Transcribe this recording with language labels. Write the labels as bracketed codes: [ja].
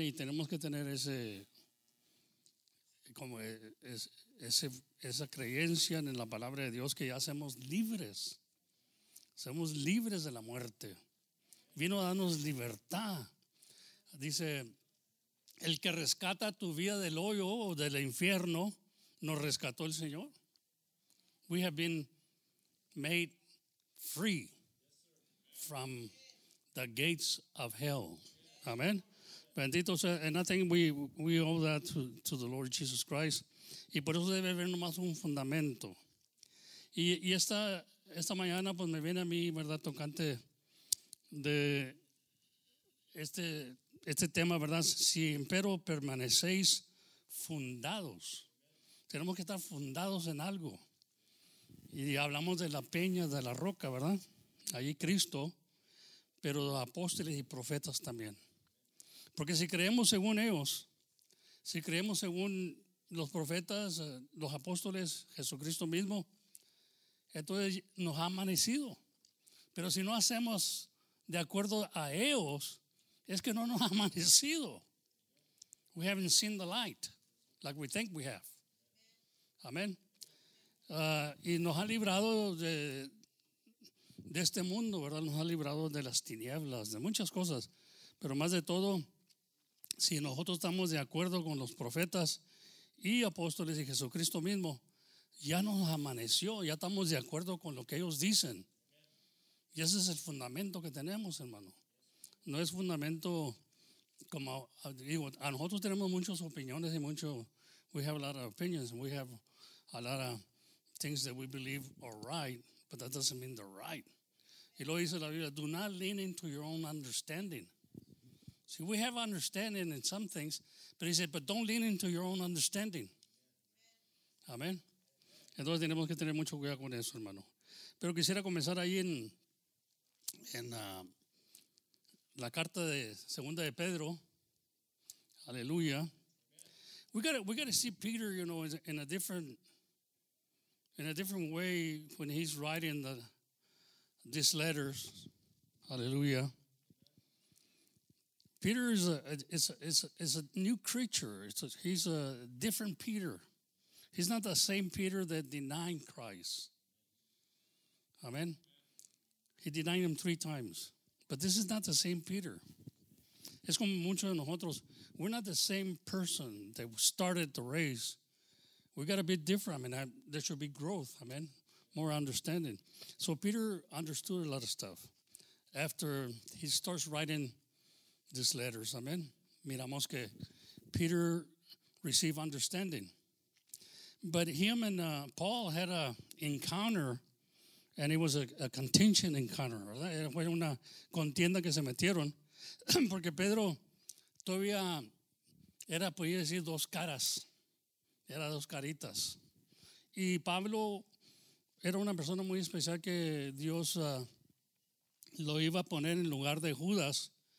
[es] Y tenemos que tener esa creencia en la palabra de Dios que ya somos libres. Somos libres de la muerte. Vino a darnos libertad. Dice, el que rescata tu vida del hoyo o del infierno, nos rescató el Señor. [en] We have been made free from the gates of hell. Amen. [es] Bendito sea. [en] And I think we owe that to the Lord Jesus Christ. [es] Y por eso debe haber nomás un fundamento. Y esta mañana pues me viene a mí, ¿verdad?, tocante de este tema, ¿verdad? Si empero permanecéis fundados. Tenemos que estar fundados en algo. Y hablamos de la peña, de la roca, ¿verdad? Allí Cristo, pero los apóstoles y profetas también. Porque si creemos según ellos, si creemos según los profetas, los apóstoles, Jesucristo mismo, entonces nos ha amanecido. Pero si no hacemos de acuerdo a ellos, es que no nos ha amanecido. [en] We haven't seen the light like we think we have. [es] Amén. Y nos ha librado de este mundo, ¿verdad? Nos ha librado de las tinieblas, de muchas cosas. Pero más de todo, si nosotros estamos de acuerdo con los profetas y apóstoles y Jesucristo mismo, ya nos amaneció, ya estamos de acuerdo con lo que ellos dicen. Y ese es el fundamento que tenemos, hermano. No es fundamento como, digo, a nosotros tenemos muchas opiniones y mucho, [en] we have a lot of opinions, we have a lot of things that we believe are right, but that doesn't mean they're right. [es] Y lo dice la Biblia, [en] do not lean into your own understanding. See, we have understanding in some things, but he said, but don't lean into your own understanding. Amén. [es] Entonces tenemos que tener mucho cuidado con eso, hermano. Pero quisiera comenzar ahí en la carta de segunda de Pedro. Aleluya. [en] We got to see Peter, you know, in a different way when he's writing these letters. Aleluya. Peter is a new creature. He's a different Peter. He's not the same Peter that denied Christ. Amen? He denied him 3 times. But this is not the same Peter. Es como muchos de nosotros. We're not the same person that started the race. We got to be different. I mean, there should be growth. Amen? More understanding. So Peter understood a lot of stuff. After he starts writing these letters, amen? [es] Miramos que [en] Peter received understanding. But him and Paul had an encounter, and it was a contention encounter, ¿verdad? [es] Fue una contienda que se metieron, porque Pedro todavía era, podría decir, dos caras. Era dos caritas. Y Pablo era una persona muy especial que Dios lo iba a poner en lugar de Judas.